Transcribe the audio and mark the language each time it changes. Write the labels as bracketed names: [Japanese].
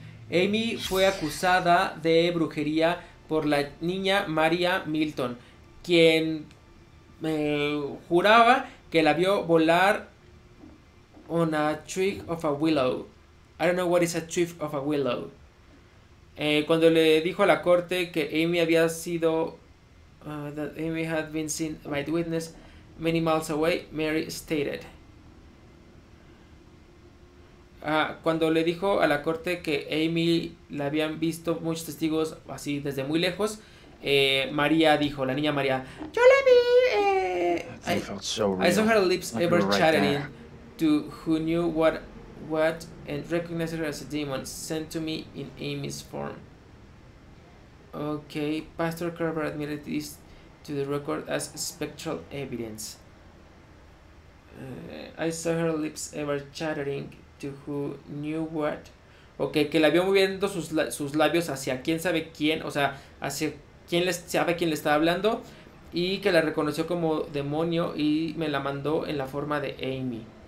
[Spanish] Amy fue acusada de brujería por la niña María Milton, quien juraba que la vio volar [English] on a twig of a willow. I don't know what is a twig of a willow. [Spanish] Cuando le dijo a la corte que Amy había sido [English] that Amy had been seen by the witness many miles away, Mary stated. [Spanish] Cuando le dijo a la corte que Amy la habían visto muchos testigos así desde muy lejos, María dijo, la niña María, yo la vi. [English] I saw her lips like ever chattering right to who knew what and recognized her as a demon sent to me in Amy's form. Okay, Pastor Carver admitted this to the record as spectral evidence. I saw her lips ever chattering to who knew what. [Spanish] Okay, que la vio moviendo sus labios hacia quién sabe quién, o sea, hacia quién le sabe quién le estaba hablando, y que la reconoció como demonio y me la mandó en la forma de Amy.